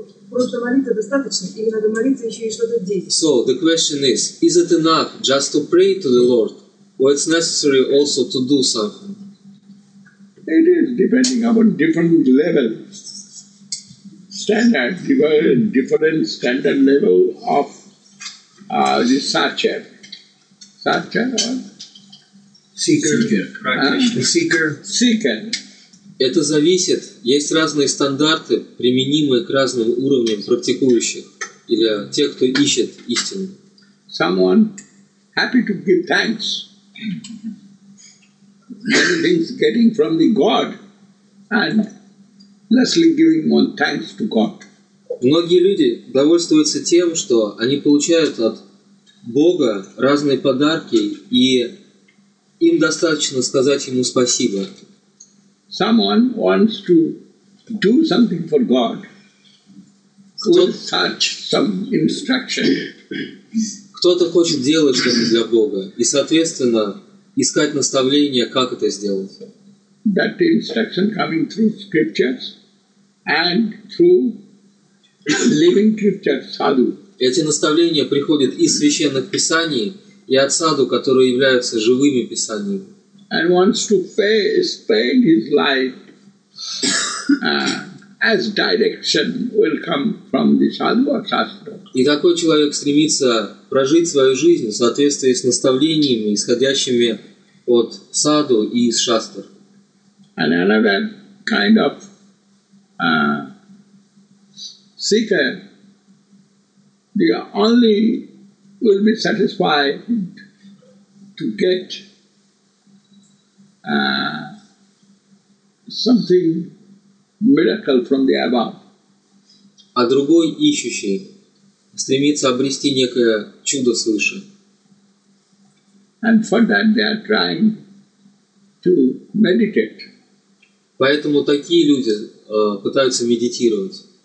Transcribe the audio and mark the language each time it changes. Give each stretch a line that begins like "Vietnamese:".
Russian: Просто молитва достаточно, или надо молиться еще и что-то делать?
English: So the question is it enough just to pray to the Lord, or it's necessary also to do something? It is depending upon different level. Standard, different standard level of the seeker.
Russian: Это зависит, есть разные стандарты, применимые к разным уровням практикующих или тех, кто ищет истину.
English: Someone happy to give thanks. Everything's getting from the God and lessly giving one thanks to God.
Russian: Многие люди довольствуются тем, что они получают от Бога разные подарки, и им достаточно сказать ему спасибо.
English: Someone wants to do something for God. Such some instruction.
Russian: Кто-то хочет делать что-то для Бога, и соответственно искать наставление, как это сделать.
English: That instruction coming through scriptures and through living scriptures, sadhu.
Russian: Эти наставления приходят из священных писаний и от саду, которые являются живыми писаниями.
English: And wants to spend his life as direction will come from the sadhu or shastra.
Russian: И такой человек стремится прожить свою жизнь в соответствии с наставлениями, исходящими от саду и из шастр.
English: And another kind of seeker, they only will be satisfied to get something miracle from the above.
Russian: А другой ищущий стремится обрести некое чудо свыше.
English: And for that they are trying to meditate.
Russian: Поэтому такие люди пытаются медитировать.